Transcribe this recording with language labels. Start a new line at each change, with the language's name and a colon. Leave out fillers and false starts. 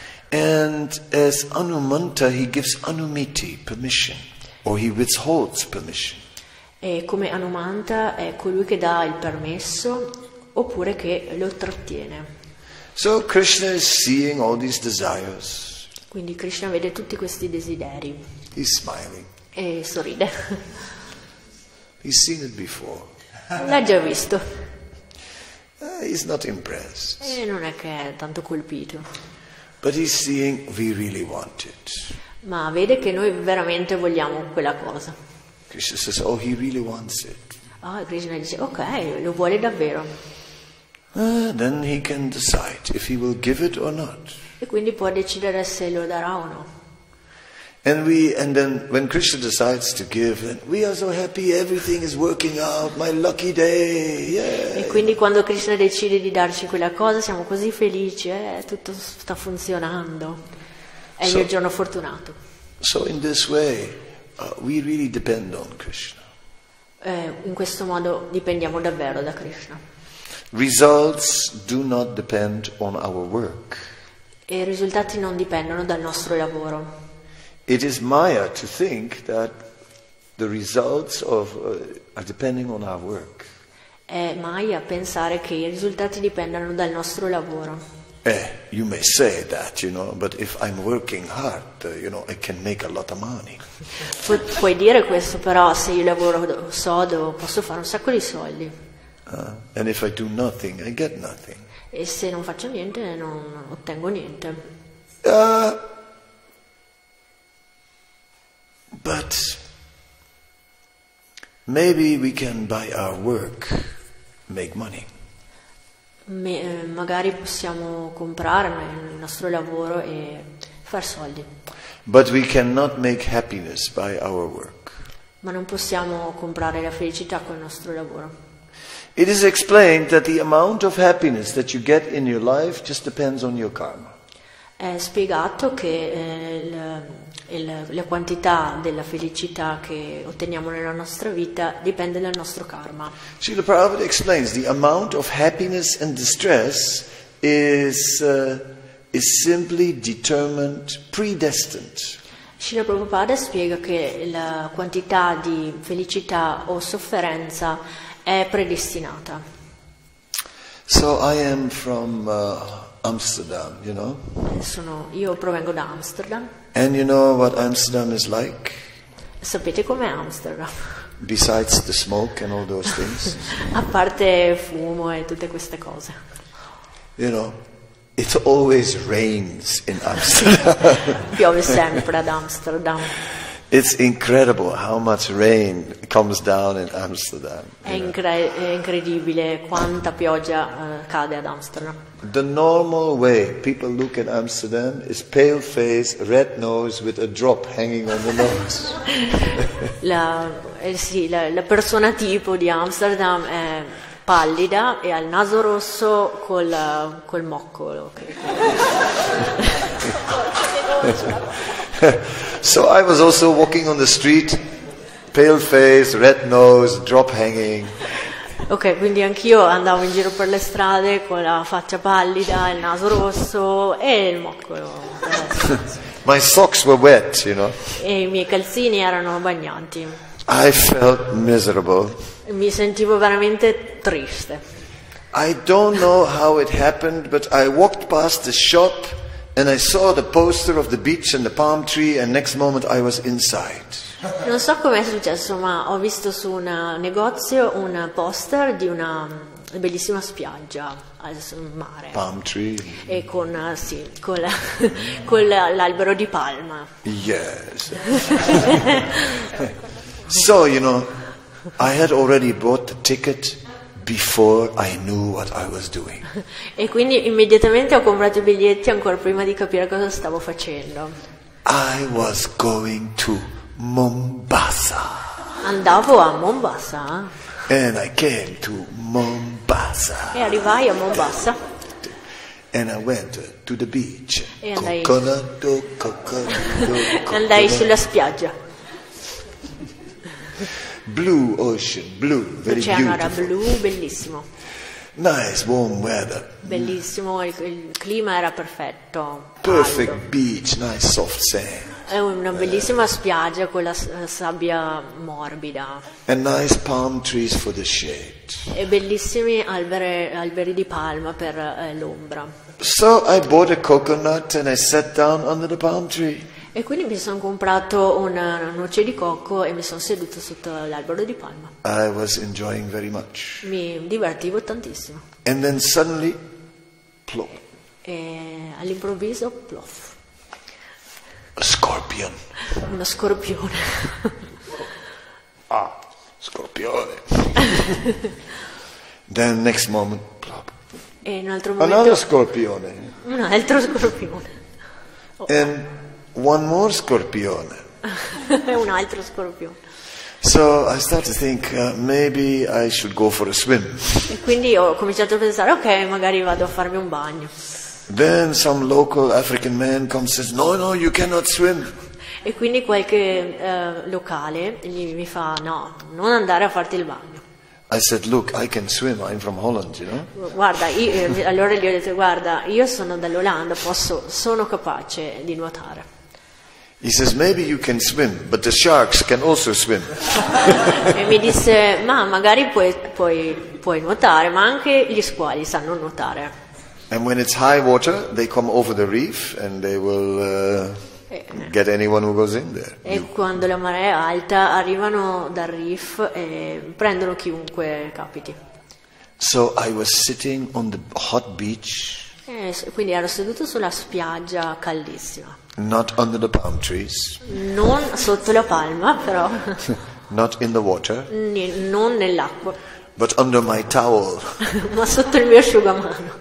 English: And as Anumanta, he gives Anumiti permission, or he withholds permission.
Italian: E come Anumanta è colui che dà il permesso oppure che lo trattiene.
English: So Krishna is seeing all these desires.
Italian: Quindi Krishna vede tutti questi desideri.
English: He's smiling.
Italian: E sorride.
English: He's seen it before.
Italian: L'ha già visto.
English: He's not impressed.
Italian: E non è che è tanto colpito.
English: But he's seeing we really want it.
Italian: Ma vede che noi veramente vogliamo quella cosa.
English: Krishna says, oh, he really wants it.
Italian: Ah, Krishna dice, ok, lo vuole davvero.
English: Then he can decide if he will give it or not.
Italian: E quindi può decidere se lo darà o no.
English: And then when Krishna decides to give, then we are so happy, everything is working out, my lucky day. Yeah.
Italian: E quindi quando Krishna decide di darci quella cosa, siamo così felici, tutto sta funzionando. È il mio giorno fortunato.
English: So in this way we really depend on Krishna.
Italian: In questo modo dipendiamo davvero da Krishna.
English: Results do not depend on our work.
Italian: E i risultati non dipendono dal nostro lavoro.
English: It is Maya to think that the results of are depending on our work.
Italian: È Maya pensare che i risultati dipendano dal nostro lavoro.
English: You may say that, you know, but if I'm working hard, you know, I can make a lot of money.
Italian: Puoi dire questo, però se io lavoro sodo posso fare un sacco di soldi.
English: And if I do nothing, I get nothing.
Italian: E se non faccio niente, non ottengo niente.
English: But maybe we can by our work make money.
Italian: Magari possiamo comprare il nostro lavoro e far soldi.
English: But we cannot make happiness by our work.
Italian: Ma non possiamo comprare la felicità col nostro lavoro.
English: It is explained that the amount of happiness that you get in your life just depends on your karma.
Italian: È spiegato che la quantità della felicità che otteniamo nella nostra vita dipende dal nostro karma.
English: Srila Prabhupada explains the amount of happiness and distress is simply determined, predestined.
Italian: Srila Prabhupada spiega che la quantità di felicità o sofferenza è predestinata.
English: So I am from Amsterdam, you know.
Italian: Io provengo da Amsterdam.
English: And you know what Amsterdam is like?
Italian: Sapete com'è Amsterdam?
English: Besides the smoke and all those things.
Italian: A parte fumo e tutte queste cose.
English: You know, it always rains in Amsterdam.
Italian: Piove sempre ad Amsterdam.
English: It's incredible how much rain comes down in Amsterdam.
Italian: È incredibile quanta pioggia cade ad Amsterdam.
English: The normal way people look at Amsterdam is pale face, red nose with a drop hanging on the nose.
Italian: La persona tipo di Amsterdam è pallida e ha il naso rosso col moccolo.
English: So I was also walking on the street, pale face, red nose, drop hanging.
Italian: Ok, quindi anch'io andavo in giro per le strade con la faccia pallida, il naso rosso e il moccolo.
English: My socks were wet, you know.
Italian: E i miei calzini erano bagnanti.
English: I felt miserable.
Italian: Mi sentivo veramente triste.
English: I don't know how it happened, but I walked past the shop and I saw the poster of the beach and the palm tree, and next moment I was inside.
Italian: Non so com'è successo, ma ho visto su un negozio un poster di una bellissima spiaggia sul mare.
English: Palm tree.
Italian: E con, sì, con, la, con l'albero di palma.
English: Yes. So, you know, I had already bought the ticket before I knew what I was doing.
Italian: E quindi immediatamente ho comprato i biglietti ancora prima di capire cosa stavo facendo.
English: I was going to Mombasa.
Italian: Andavo a Mombasa.
English: And I came to Mombasa.
Italian: E arrivai a Mombasa.
English: And I went to the beach.
Italian: E andai, coconato, coconato, coconato. Andai sulla spiaggia.
English: Blue ocean, blue, very
Italian: l'oceano
English: beautiful.
Italian: Era blu, bellissimo.
English: Nice, warm weather.
Italian: Bellissimo, il clima era perfetto.
English: Perfect
Italian: caldo.
English: Beach, nice soft sand.
Italian: È una bellissima spiaggia con la sabbia morbida.
English: And nice palm trees for the shade.
Italian: E bellissimi alberi di palma per l'ombra.
English: So I bought a coconut and I sat down under the palm tree.
Italian: E quindi mi sono comprato una noce di cocco e mi sono seduto sotto l'albero di palma.
English: I was enjoying very much.
Italian: Mi divertivo tantissimo.
English: And then suddenly, plop.
Italian: E all'improvviso, plof.
English: A scorpion.
Italian: Uno scorpione. Ah, scorpione.
English: Then next moment, plop.
Italian: E un altro momento.
English: Another scorpione.
Italian: Un altro scorpione.
English: Oh. And one more scorpione.
Italian: Un altro scorpione.
English: So I start to think maybe I should go for a swim.
Italian: E quindi ho cominciato a pensare, ok, magari vado a farmi un bagno.
English: Then some local African man comes and says, no, no, you cannot swim.
Italian: E quindi qualche locale mi fa, no, non andare a farti il bagno.
English: I said, look, I can swim, I'm from Holland, you know.
Italian: Guarda, allora gli ho detto, guarda, io sono dall'Olanda, sono capace di nuotare.
English: He says, maybe you can swim, but the sharks can also swim.
Italian: E mi disse, ma magari puoi nuotare, ma anche gli squali sanno nuotare.
English: And when it's high water, they come over the reef and they will get anyone who goes in there.
Italian: E quando la marea è alta, arrivano dal reef e prendono chiunque capiti.
English: So I was sitting on the hot beach.
Italian: Quindi ero seduto sulla spiaggia caldissima.
English: Not under the palm trees.
Italian: Non sotto la palma, però.
English: Not in the water.
Italian: Non nell'acqua.
English: But under my towel.
Italian: Ma sotto il mio asciugamano.